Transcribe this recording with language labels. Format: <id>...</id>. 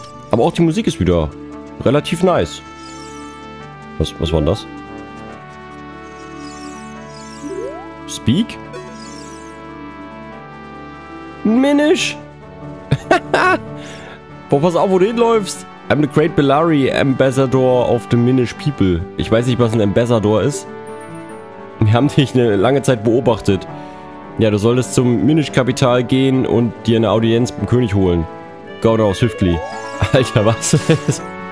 <de>Aber auch die Musik ist wieder relativ nice. Was war denn das?</de> <en>Speak? Minish!</en> <de>Boah, pass auf, wo du hinläufst!</de> <en>I'm the great Bellari, Ambassador of the Minish People.</en> <de>Ich weiß nicht, was ein Ambassador ist. Wir haben dich eine lange Zeit beobachtet. Ja, du solltest zum Minish-Kapital gehen und dir eine Audienz beim König holen.</de> <en>Go now, swiftly.</en> <de>Alter, was ist das?</de>